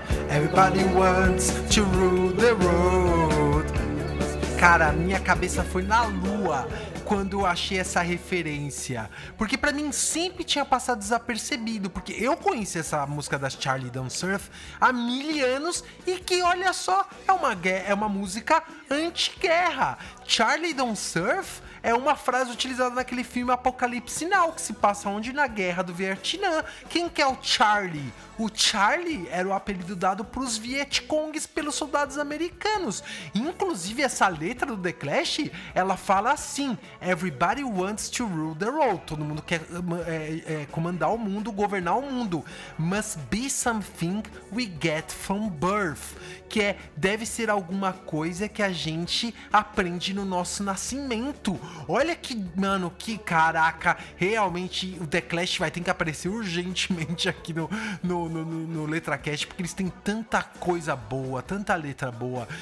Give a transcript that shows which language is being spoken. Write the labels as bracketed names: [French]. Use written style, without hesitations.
[English] Everybody wants to rule the world. [Portuguese] Cara, minha cabeça foi na lua quando eu achei essa referência. Porque pra mim sempre tinha passado desapercebido. Porque eu conheci essa música da Charlie Don't Surf há mil anos. E que, olha só, é uma música anti-guerra. Charlie Don't Surf é uma frase utilizada naquele filme Apocalipse Now, que se passa onde? Na Guerra do Vietnã. Quem que é o Charlie? O Charlie era o apelido dado pros Vietcongs pelos soldados americanos. Inclusive, essa letra do The Clash, ela fala assim: [English] Everybody wants to rule the world. [Portuguese] Todo mundo quer comandar o mundo, governar o mundo. [English] Must be something we get from birth. [Portuguese] Que é, deve ser alguma coisa que a gente aprende no nosso nascimento. Olha que, mano, que caraca. Realmente, o The Clash vai ter que aparecer urgentemente aqui no LetraCast, porque eles têm tanta coisa boa, tanta letra boa.